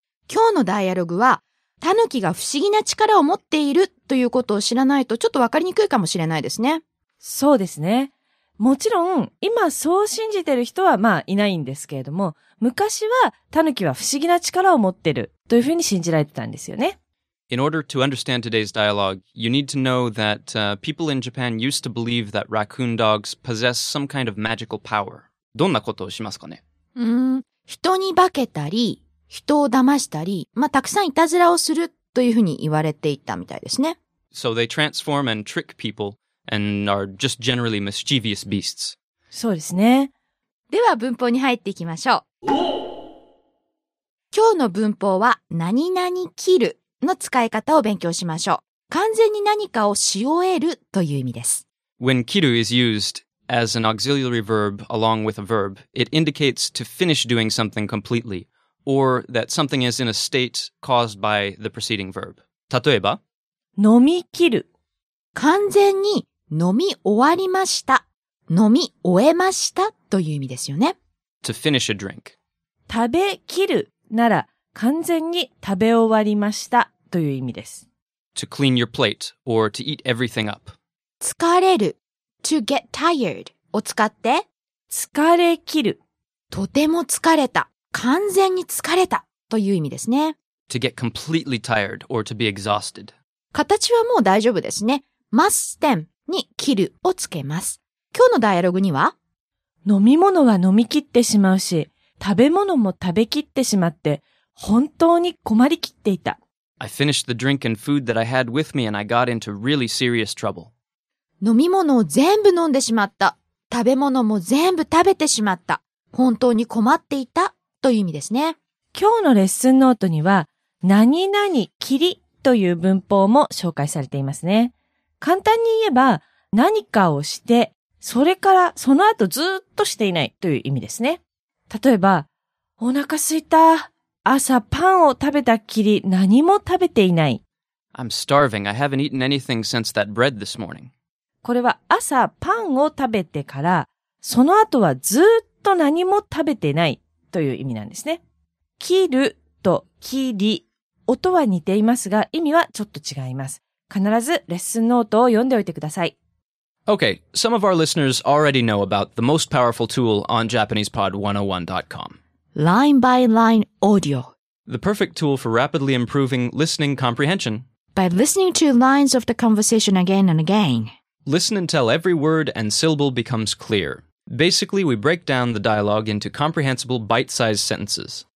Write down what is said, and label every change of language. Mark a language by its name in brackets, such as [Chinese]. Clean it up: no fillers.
[Japanese] 今日のダイアログは、タヌキが不思議な力を持っているということを知らないとちょっとわかりにくいかもしれないですね。そうですね。もちろん今そう信じてる人はまあいないんですけれども、昔はタヌキは不思議な力を持ってるというふうに信じられてたんですよね。 [English] In order to understand today's dialogue, you need to know that people in Japan used to believe that raccoon dogs possess some kind of magical power. [Japanese] どんなことをしますかね。人に化けたり、人を騙したり、まあたくさんいたずらをするというふうに言われていたみたいですね。 [English] So they transform and trick peopleAnd are just generally mischievous beasts. [Japanese] そうですね。では文法に入っていきましょう。今日の文法は何々切るの使い方を勉強しましょう。完全に何かをし終えるという意味です。 [English] When 切る is used as an auxiliary verb along with a verb, it indicates to finish doing something completely, or that something is in a state caused by the preceding verb. [Japanese] 例えば、飲み切る。完全に飲み終わりました。飲み終えましたという意味ですよね。 [English] To finish a drink. [Japanese] 食べ切るなら完全に食べ終わりましたという意味です。 [English] To clean your plate or to eat everything up. [Japanese] 疲れる。 [English] To get tired [Japanese] を使って疲れ切る。とても疲れた。完全に疲れたという意味ですね。 [English] To get completely tired or to be exhausted. [Japanese] 形はもう大丈夫ですね。Must emに切るをつけます。今日のダイアログには、飲み物は飲み切ってしまうし、食べ物も食べ切ってしまって、本当に困りきっていた。 [English] I finished the drink and food that I had with me and I got into really serious trouble. [Japanese] 飲み物を全部飲んでしまった。食べ物も全部食べてしまった。本当に困っていたという意味ですね。今日のレッスンノートには、何々切りという文法も紹介されていますね。簡単に言えば、何かをして、それからその後ずっとしていないという意味ですね。例えば、お腹すいた。朝パンを食べたきり何も食べていない。 [English] I'm starving. I haven't eaten anything since that bread this morning. [Japanese] これは朝パンを食べてから、その後はずっと何も食べてないという意味なんですね。切るときり、音は似ていますが、意味はちょっと違います。必ずレッスンノートを読んでおいてください。 [English] Okay, some of our listeners already know about the most powerful tool on JapanesePod101.com. Line by line audio. The perfect tool for rapidly improving listening comprehension. By listening to lines of the conversation again and again. Listen until every word and syllable becomes clear. Basically, we break down the dialogue into comprehensible bite-sized sentences.